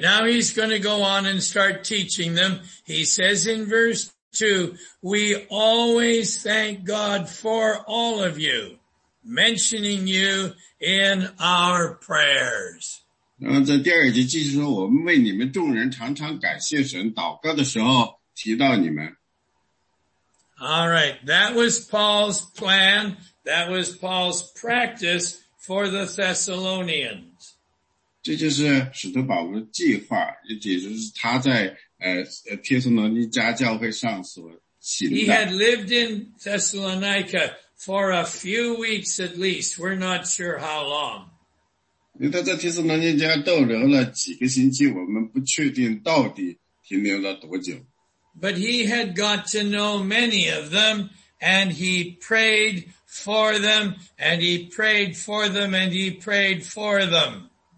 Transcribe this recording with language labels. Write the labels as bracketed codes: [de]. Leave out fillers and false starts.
[en] now he's going to go on and start teaching them. He says in verse 2, we always thank God for all of you, mentioning you in our prayers. [zh] 然后在第二节继续说，我们为你们众人常常感谢神，祷告的时候提到你们。 [en] All right. That was Paul's plan. That was Paul's practice for the Thessalonians. [zh] 这就是使徒保罗的计划，也就是他在帖撒罗尼迦教会上所行的。 [en] He had lived in Thessalonica for a few weeks at least. We're not sure how long. [zh] 因为他在帖撒罗尼迦逗留了几个星期，我们不确定到底停留了多久。 [en] But he had got to know many of them, and he prayed for them, and he prayed for them, and he prayed for them.